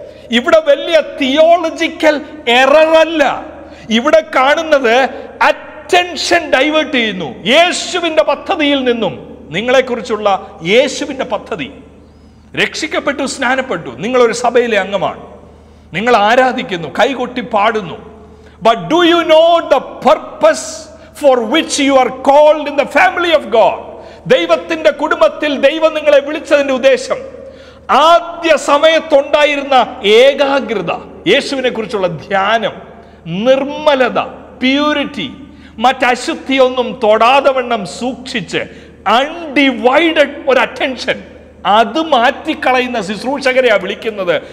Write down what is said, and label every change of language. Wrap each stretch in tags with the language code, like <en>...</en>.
<ml>ഇവിടെ വലിയ തിയോളജിക്കൽ എററല്ല, ഇവിടെ കാണുന്നത് അറ്റൻഷൻ ഡൈവേർട്ട് ചെയ്യുന്നു യേശുവിന്റെ പദ്ധതിയിൽ നിന്നും. നിങ്ങളെക്കുറിച്ചുള്ള യേശുവിന്റെ പദ്ധതി, രക്ഷിക്കപ്പെട്ടു, സ്നാനപ്പെട്ടു, നിങ്ങളൊരു സഭയിലെ അംഗമാണ്, നിങ്ങൾ ആരാധിക്കുന്നു, കൈകൊട്ടി പാടുന്നു.</ml> <en>But do you know the purpose for which you are called in the family of God?</en> <ml>ദൈവത്തിന്റെ കുടുംബത്തിൽ ദൈവം നിങ്ങളെ വിളിച്ചതിന്റെ ഉദ്ദേശം, ആദ്യ സമയത്തുണ്ടായിരുന്ന ഏകാഗ്രത, യേശുവിനെ കുറിച്ചുള്ള ധ്യാനം, നിർമ്മലത, പ്യൂരിറ്റി, മറ്റശുദ്ധിയൊന്നും തൊടാതെ വണ്ണം സൂക്ഷിച്ച് അൺഡിവൈഡഡ് ഒരു അറ്റൻഷൻ, അത് മാറ്റിക്കളയുന്ന ശുശ്രൂഷകരെയാണ് വിളിക്കുന്നത്.</ml>